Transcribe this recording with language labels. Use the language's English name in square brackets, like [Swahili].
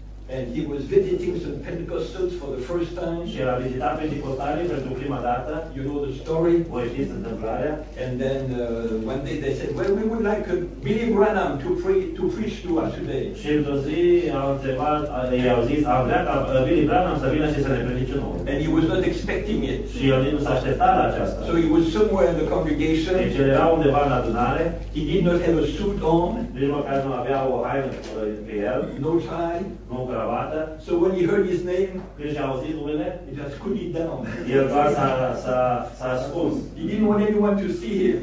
[English] And he was visiting some Pentecostals for the first time. [Romanian] Și a vizitat Pentecostalii pentru prima dată. [English] You know the story. [Romanian] Voi știți întâmplarea. [English] And then one day they said, well, we would like a Billy Branham to preach to us today. [Romanian] Și într-o zi i-au zis, am vrea ca Billy Branham să vină și să ne predice nouă. [English] And he was not expecting it. [Romanian] Și el nu s-a așteptat la aceasta. [English] So he was somewhere in the congregation. [Romanian] Deci el era undeva în adunare. [English] He did not have a suit on. [Romanian] Nici măcar nu avea o haină pe el. [English] No tie. [Romanian] Gravată. [English] So when he heard his name, [Romanian] când și-a auzit numele, [English] he just cut it down. [Romanian] El doar s-a ascuns. [English] He didn't want anyone to see him.